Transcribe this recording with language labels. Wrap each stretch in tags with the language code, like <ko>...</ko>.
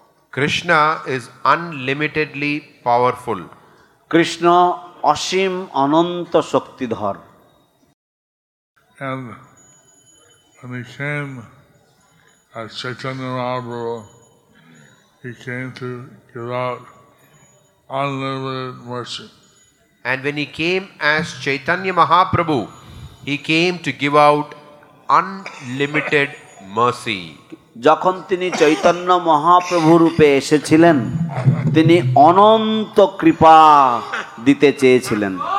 <en>Krishna is unlimitedly powerful.</en> <bn>Krishna অসীম অনন্ত শক্তিধর</bn> <en>and when he came as Chaitanya Mahaprabhu he came to give out unlimited mercy and when he came as Chaitanya Mahaprabhu he came to give out unlimited mercy</en> <bn>যখন তিনি চৈতন্য মহাপ্রভু রূপে এসেছিলেন তিনি অনন্ত কৃপা দিতে চেয়েছিলেন</bn>